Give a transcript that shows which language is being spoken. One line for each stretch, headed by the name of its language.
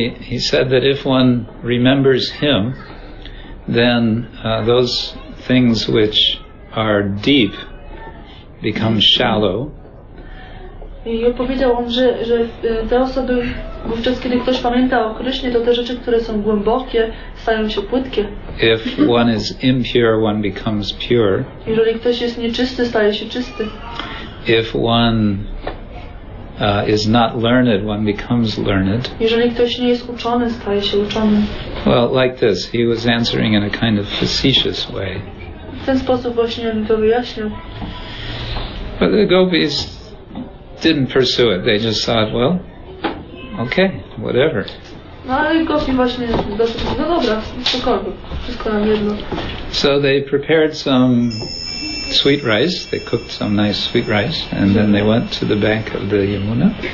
English: He said that if one remembers him, then those things which are deep become shallow.
Polish: I powiedział on, że te osoby wówczas, kiedy ktoś pamięta o Krysznie, to te rzeczy, które są głębokie, stają się płytkie.
English: If one is impure, one becomes pure.
Polish: Jeżeli ktoś jest nieczysty, staje się czysty.
English: If one is not learned, one becomes learned.
Polish: Jeżeli ktoś nie jest uczony, staje się uczony.
English: Well, like this, he was answering in a kind of facetious way.
Polish: W ten sposób właśnie on to wyjaśnił.
English: But the gopis didn't pursue it. They just thought, well, okay, whatever.
Polish: No, ale gopi właśnie dosyć, no dobra, spokojnie, wszystko nam jedno.
English: So they prepared some sweet rice, they cooked some nice sweet rice, and then they went to the bank of the Yamuna.